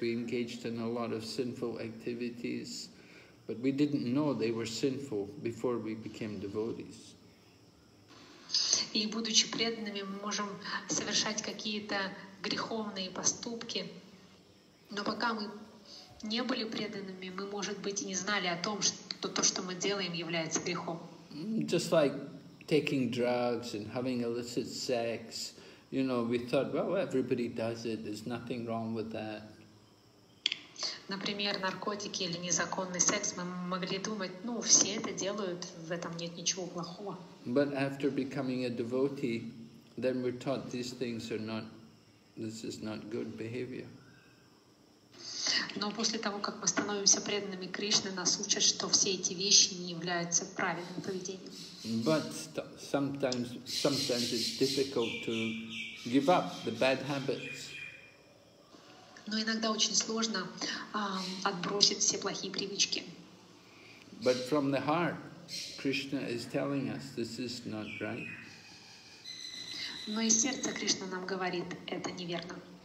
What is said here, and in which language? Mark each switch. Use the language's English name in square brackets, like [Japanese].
[English] We engaged in a lot of sinful activities, but we didn't know they were sinful before we became devotees. [Russian] И будучи преданными, мы можем совершать какие-то греховные поступки, но пока мы не были преданными, мы, может быть, и не знали о том, что то, что мы делаем, является грехом. [English] Just like taking drugs and having illicit sex, you know, we thought, well, everybody does it, there's nothing wrong with that. [Russian] Например, наркотики или незаконный секс, мы могли думать, ну, все это делают, в этом нет ничего плохого. [English] But after becoming a devotee, then we're taught these things are not, this is not good behavior. [Russian] Но после того, как мы становимся преданными Кришне, нас учат, что все эти вещи не являются правильным поведением. [English] But sometimes it's difficult to give up the bad habits. [Russian] Но иногда очень сложно отбросить все плохие привычки. [English] But from the heart, Krishna is telling us this is not right. [Russian] Но из сердца Кришна нам говорит, это неверно.